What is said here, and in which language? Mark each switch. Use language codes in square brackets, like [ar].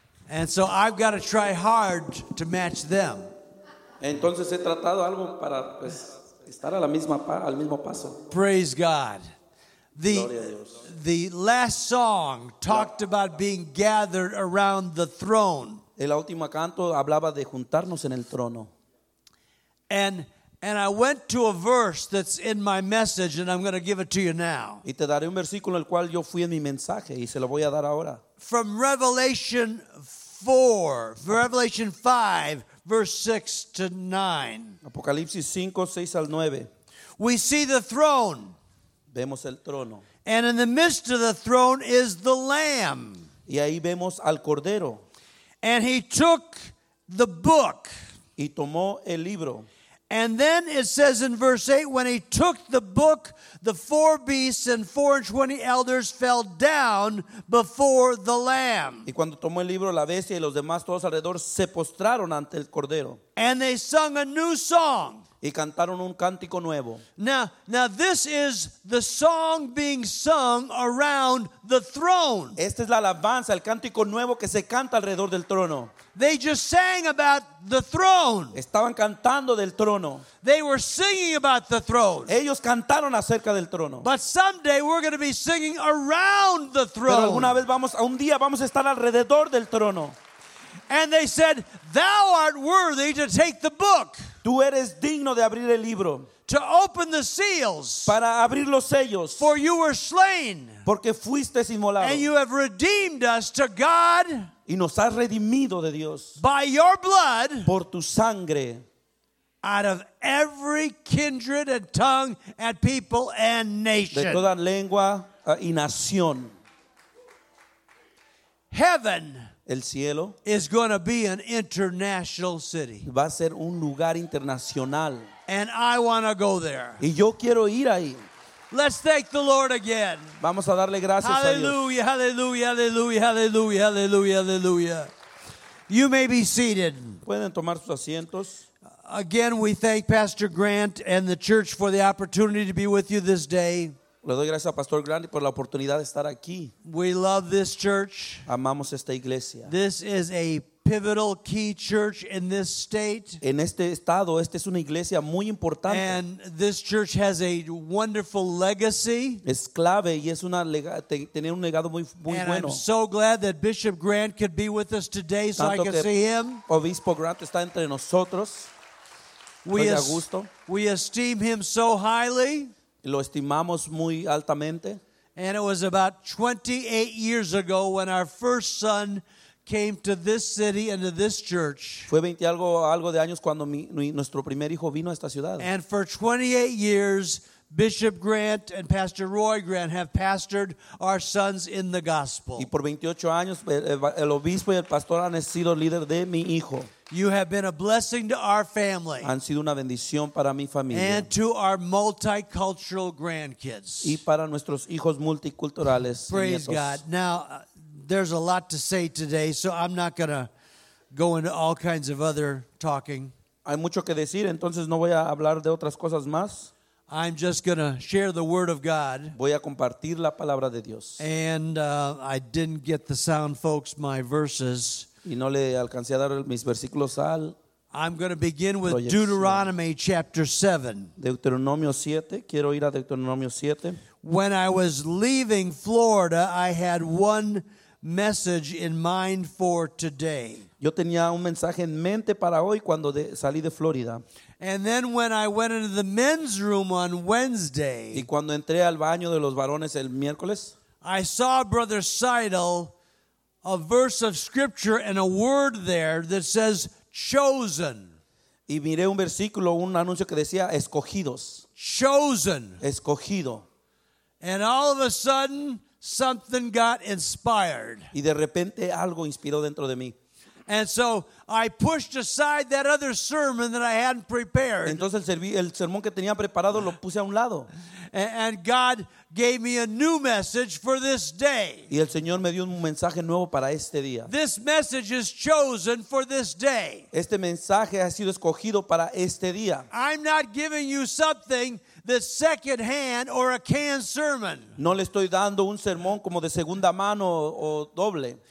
[en] And so I've got to try hard to match them. [es] Entonces he tratado algo para pues estar a la misma al mismo paso. [en] Praise God. The last song talked about being gathered around the throne. [es] El último canto hablaba de juntarnos en el trono. And [en] And I went to a verse that's in my message, and I'm going to give it to you now. [es] Y te daré un versículo el cual yo fui en mi mensaje y se lo voy a dar ahora. [en] From Revelation 4, Revelation 5, verse 6 to 9. [es] Apocalipsis 5, 6 al 9. [en] We see the throne. [es] Vemos el trono. [en] And in the midst of the throne is the Lamb. [es] Y ahí vemos al Cordero. [en] And he took the book. [es] Y tomó el libro. [en] And then it says in verse 8, when he took the book, the four beasts and 24 elders fell down before the Lamb. [es] Y cuando tomó el libro, la bestia y los demás todos alrededor se postraron ante el Cordero. [en] And they sung a new song. [es] Y cantaron un cántico nuevo. [en] Now this is the song being sung around the throne. [es] Esta es la alabanza, el cántico nuevo que se canta alrededor del trono. [en] They just sang about the throne. [es] Estaban cantando del trono. [en] They were singing about the throne. [es] Ellos cantaron acerca del trono. [en] But someday we're going to be singing around the throne. [es] Pero alguna vez vamos, un día vamos a estar alrededor del trono. [en] And they said, "Thou art worthy to take the book." [es] Tú eres digno de abrir el libro. [en] To open the seals. [es] Para abrir los sellos. [en] For you were slain. [es] Porque fuiste inmolado. [en] And you have redeemed us to God. [es] Y nos has redimido de Dios. [en] By your blood. [es] Por tu sangre. [en] Out of every kindred and tongue and people and nation. [es] De toda lengua y nación. [en] Heaven. [es] El cielo [en] is going to be an international city. [es] Va a ser un lugar internacional. [en] And I want to go there. [es] Y yo quiero ir ahí. [en] Let's thank the Lord again. [es] Vamos a darle gracias a Dios. [en] Hallelujah, hallelujah, hallelujah, hallelujah, hallelujah, hallelujah. You may be seated. [es] Pueden tomar sus asientos. [en] Again, we thank Pastor Grant and the church for the opportunity to be with you this day. [es] Le doy gracias a Pastor Grant por la oportunidad de estar aquí. [en] We love this church. [es] Amamos esta iglesia. [en] This is a pivotal key church in this state. [es] En este estado, esta es una iglesia muy importante. [en] And this church has a wonderful legacy. [es] Es clave y es una tener un legado muy muy [en] and [es] bueno. [en] And I'm so glad that Bishop Grant could be with us today so [es] tanto [en] I can see him. [es] Obispo Grant está entre nosotros. [en] We esteem him so highly. [es] Lo estimamos muy altamente. [en] And it was about 28 years ago when our first son came to this city and to this church. [es] Fue 20 algo de años cuando nuestro primer hijo vino a esta ciudad. [en] And for 28 years, Bishop Grant and Pastor Roy Grant have pastored our sons in the gospel. [es] Y por 28 años el obispo y el pastor han sido líder de mi hijo. [en] You have been a blessing to our family. [es] Han sido una bendición para mi familia. [en] And to our multicultural grandkids. [es] Y para nuestros hijos multiculturales. [en] Praise God. Now, there's a lot to say today, so I'm not going to go into all kinds of other talking. [es] Hay mucho que decir, entonces no voy a hablar de otras cosas más. [en] I'm just going to share the word of God. [es] Voy a compartir la palabra de Dios. [en] And I didn't get the sound, folks, my verses. [es] Y no le alcancé a dar mis versículos al [en] I'm going to begin with proyección. Deuteronomy chapter 7. [es] Deuteronomio 7. Quiero ir a Deuteronomio 7. [en] When I was leaving Florida, I had one message in mind for today. [es] Yo tenía un mensaje en mente para hoy cuando salí de Florida. [en] And then when I went into the men's room on Wednesday, [es] y cuando entré al baño de los varones el miércoles, [en] I saw Brother Seidel a verse of scripture and a word there that says chosen. [es] Y miré un versículo, un anuncio que decía escogidos. [en] Chosen. [es] Escogido. [en] And all of a sudden something got inspired. [es] Y de repente algo inspiró dentro de mí. [en] And so I pushed aside that other sermon that I hadn't prepared. [es] Entonces el sermón que tenía preparado lo puse a un lado. [en] And God gave me a new message for this day. [es] Y el Señor me dio un mensaje nuevo para este día. [en] This message is chosen for this day. [es] Este mensaje ha sido escogido para este día. [en] I'm not giving you something the second hand or a canned sermon. [es] No le estoy dando un sermón como de segunda mano o doble.